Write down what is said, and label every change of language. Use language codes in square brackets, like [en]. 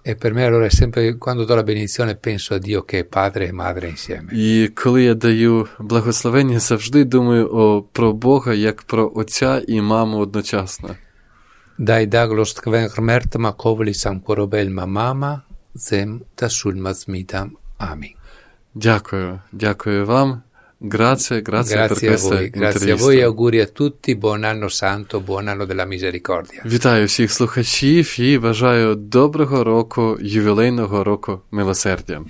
[it] E per me allora è sempre, quando do la benedizione, penso a Dio che è padre e madre insieme. [uk] І коли я даю благословення, завжди думаю про Бога, як про отця і маму одночасно. Dai daglost kvenhmert ma kovli sam korobel ma mama, zem ta sulma zmitam. Amin. Дякую, дякую вам. [it] Grazie per questo intervista. Grazie a voi e auguri a tutti, buon anno santo, buon anno della misericordia. [uk] Вітаю всіх слухачів і бажаю доброго року, ювілейного року милосердя.